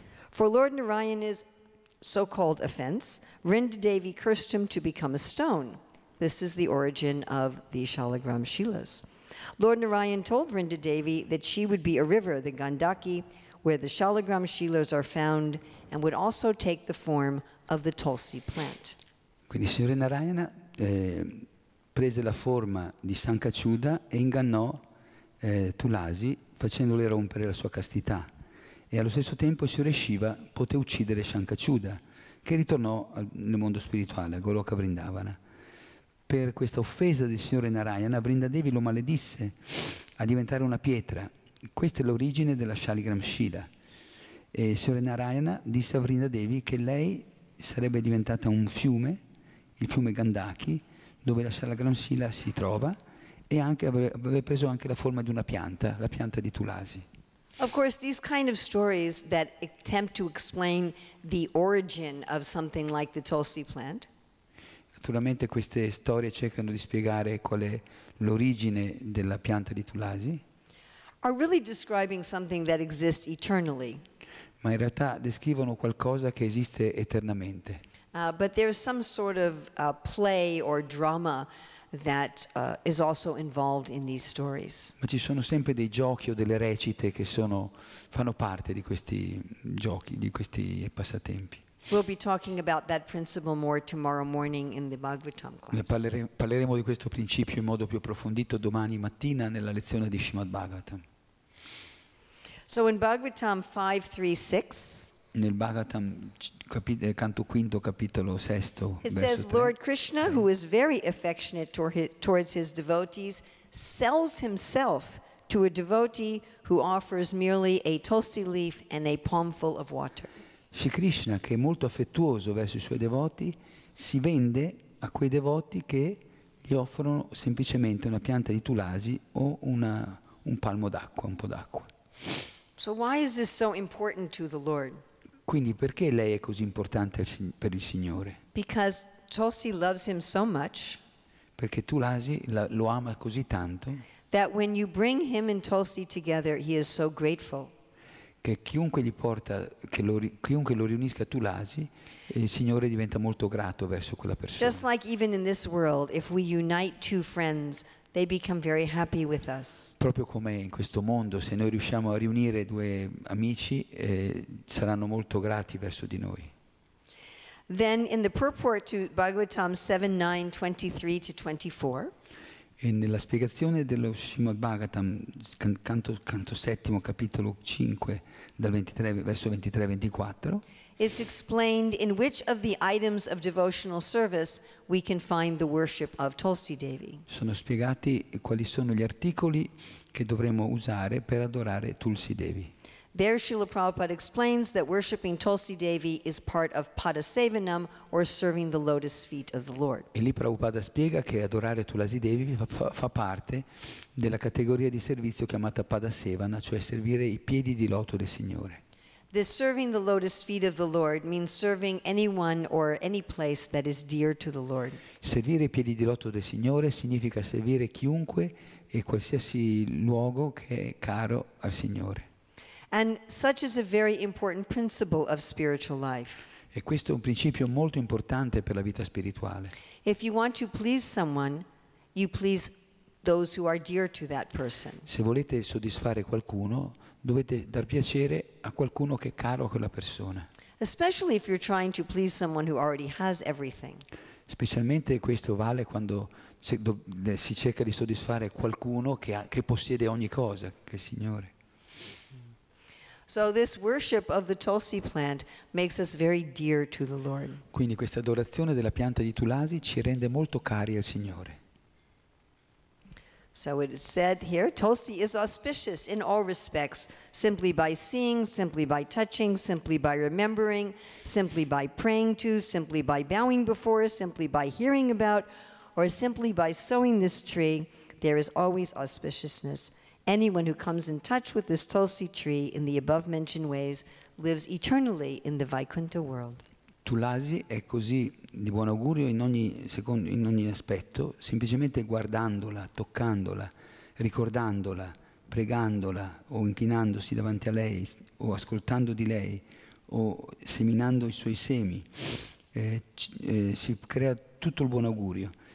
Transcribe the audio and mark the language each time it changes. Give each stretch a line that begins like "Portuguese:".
English: For Lord Narayana's so-called offense, Vrinda Devi cursed him to become a stone. This is the origin of the Shalagram Shilas. Lord Narayana told Vrinda Devi that she would be a river, the Gandaki, where the Shalagram Shilas are found, and would also take the form of the Tulsi plant.
Italian: Quindi signore Narayana prese la forma di Sankachuta e ingannò Tulasi facendole rompere la sua castità. E allo stesso tempo il signore Shiva poté uccidere Sankachuta, che ritornò nel mondo spirituale, a Goloka Vrindavana. Per questa offesa del signore Narayana, Vrinda Devi lo maledisse a diventare una pietra. Questa è l'origine della Shaligram Shila. E il signore Narayana disse a Vrinda Devi che lei sarebbe diventata un fiume, il fiume Gandaki, dove la Shalagram Shila si trova, e anche aveva preso anche la forma di una pianta, la pianta di Tulasi.
English: Of course, these kind of stories that attempt to explain the origin of something like the Tulsi plant.
Italian: Naturalmente queste storie cercano di spiegare qual è l'origine della pianta di Tulasi.
English: Are really describing something that exists eternally.
Italian: Ma in realtà descrivono qualcosa che esiste eternamente.
English: But there is some sort of play or drama that is also involved in these stories.
Italian: Ma ci sono sempre dei giochi o delle recite che sono fanno parte di questi giochi, di questi passatempi.
English: We'll be talking about that principle more tomorrow morning in the Bhagavatam class.
Italian: Parleremo di questo principio in modo più approfondito domani mattina nella lezione di Srimad Bhagavatam.
English: So in Bhagavatam 5:3-6,
Italian: nel Bhagavatam canto quinto capitolo sesto,
English: it says Lord Krishna, who is very affectionate towards his devotees, sells himself to a devotee who offers merely a tulsi leaf and a palmful of water.
Italian: Sri Krishna, che è molto affettuoso verso i suoi devoti, si vende a quei devoti che gli offrono semplicemente una pianta di tulasi o un palmo d'acqua, un po' d'acqua.
English: So why is this so important to the Lord?
Italian: Quindi perché lei è così importante per il Signore?
English: Because Tulsi loves him so much.
Italian: Perché Tulasi lo ama così tanto.
English: That when you bring him and Tulsi together, he is so grateful.
Italian: Che chiunque gli porta, chiunque lo riunisca a Tulasi, il Signore diventa molto grato verso quella persona.
English: Just like even in this world, if we unite two friends, they become very happy with us.
Italian: Proprio come in questo mondo, se noi riusciamo a riunire due amici, saranno molto grati verso di noi.
English: Then in the purport to Bhagavatam 7:9-23-24.
Italian: E nella spiegazione dello Srimad Bhagavatam, canto settimo, capitolo 5, dal 23 verso 23-24.
English: It's explained in which of the items of devotional service we can find the worship of Tulsi Devi.
Italian: Sono spiegati quali sono gli articoli che dovremo usare per adorare Tulsi Devi.
English: There, Srila Prabhupada explains that worshiping Tulsi Devi is part of Padasevanam, or serving the lotus feet of the Lord.
Italian: E lì Prabhupada spiega che adorare Tulsi Devi fa parte della categoria di servizio chiamata Padasevana, cioè servire i piedi di loto del Signore.
English: This serving the lotus feet of the Lord means serving anyone or any place that is dear to the Lord.
Italian: Servire i piedi di loto del Signore significa servire chiunque e qualsiasi luogo che è caro al Signore.
English: And such is a very important principle of spiritual life.
Italian: E questo è un principio molto importante per la vita spirituale.
English: If you want to please someone, you please those who are dear to that person.
Italian: Se volete soddisfare qualcuno, dovete dar piacere a qualcuno che è caro a quella persona.
English: Especially if you're trying to please someone who already has everything.
Italian: Specialmente questo vale quando si cerca di soddisfare qualcuno che possiede ogni cosa, che è il Signore.
English: So this worship of the Tulsi plant makes us very dear to the Lord.
Italian: Quindi questa adorazione della pianta di Tulasi ci rende molto cari al Signore.
English: So it is said here, Tulsi is auspicious in all respects, simply by seeing, simply by touching, simply by remembering, simply by praying to, simply by bowing before, simply by hearing about, or simply by sowing this tree, there is always auspiciousness. Anyone who comes in touch with this Tulsi tree in the above-mentioned ways lives eternally in the Vaikuntha world.
Italian: Tulasi è così di buon augurio in ogni aspetto, semplicemente guardandola, toccandola, ricordandola, pregandola o inchinandosi davanti a lei o ascoltando di lei o seminando i suoi semi, si crea tutto il buon augurio.